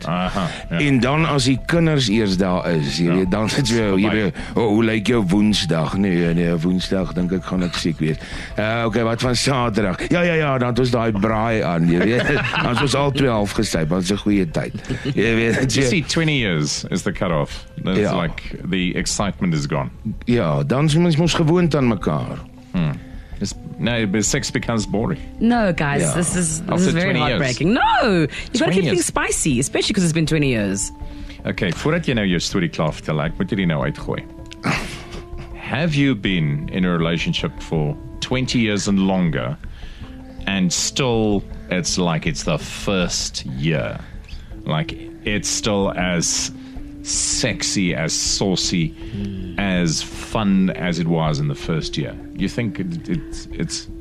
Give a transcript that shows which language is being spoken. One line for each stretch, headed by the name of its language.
Afrikaans: Aha, ja. En dan as die kinders eers daar is, jy weet, dan het so, jy weet, oh, hoe lyk jou woensdag? Nee, woensdag, denk ek, gaan ek siek wees. Okay, wat van saterdag? Ja, dan het ons daai braai aan, jy weet, dan het ons al 12 gesuip, want het is 'n goeie tyd. Jy weet,
English: you see, 20 years is the cut-off. It's ja. Like, the excitement is gone.
Afrikaans: Ja, dan is ons gewoond aan mekaar.
English: No, but sex becomes boring. No, guys, yeah. this is very heartbreaking. Years. No, you've got to keep things spicy, especially because it's been 20 years.
Afrikaans: Okay, voordat jy nou jou story klaar vertel, ek moet jy nou uitgooi.
English: Have you been in a relationship for 20 years and longer, and still it's like it's the first year? Like, it's still as sexy, as saucy, as fun as it was in the first year. You think it's